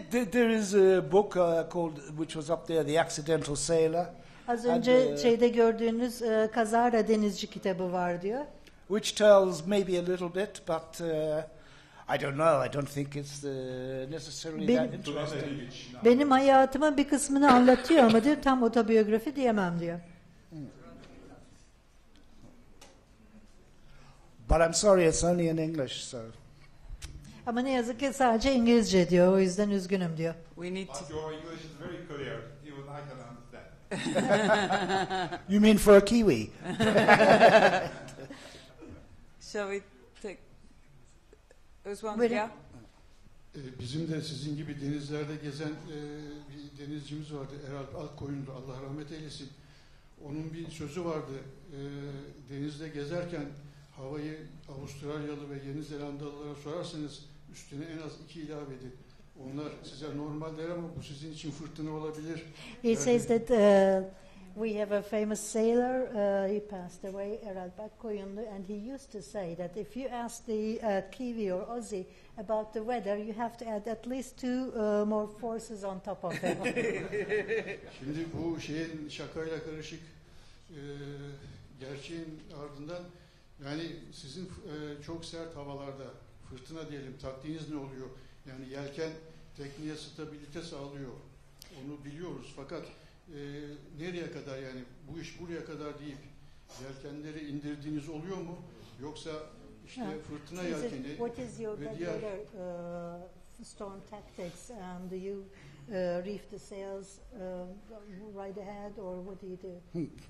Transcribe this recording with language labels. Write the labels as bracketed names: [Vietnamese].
[English] There is a book called, which was up there, The Accidental Sailor. [Turkish] Az önce şeyde gördüğünüz Kazara Denizci kitabı var diyor. [English] Which tells maybe a little bit, but I don't know. I don't think it's necessarily that interesting. [Turkish] Benim hayatımın bir kısmını anlatıyor ama diyor tam otobiyografi diyemem diyor. [English] But I'm sorry, it's only in English, so. [Turkish] Ama ne yazık ki sadece İngilizce diyor, o yüzden üzgünüm diyor. [English] We need to. But your English is very clear. Even I can understand. You mean for a Kiwi? Shall we take? There's one here. [Turkish] Bizim de sizin gibi denizlerde gezen bir denizcimiz vardı, Erhard Alkoyun'du. Allah rahmet eylesin. Onun bir sözü vardı. Denizde gezerken havayı Avustralyalı ve Yeni Zelandalılara sorarsanız üstüne en az iki ilave edin. Onlar size normal der ama bu sizin için fırtına olabilir. [English] He [Turkish] yani [English] says that we have a famous sailor, he passed away, Erhard Bakkoyunlu, and he used to say that if you ask the Kiwi or Aussie about the weather, you have to add at least two more forces on top of them. [Turkish] Şimdi bu şeyin şakayla karışık gerçeğin ardından yani sizin çok sert havalarda fırtına diyelim taktiğiniz ne oluyor? Yani yelken tekneye stabilite sağlıyor. Onu biliyoruz fakat nereye kadar yani bu iş buraya kadar deyip yelkenleri indirdiğiniz oluyor mu? Yoksa işte fırtına [English] is [Turkish] yelkeni [English] it, what is your regular storm tactics and do you reef the sails right ahead or what do you do?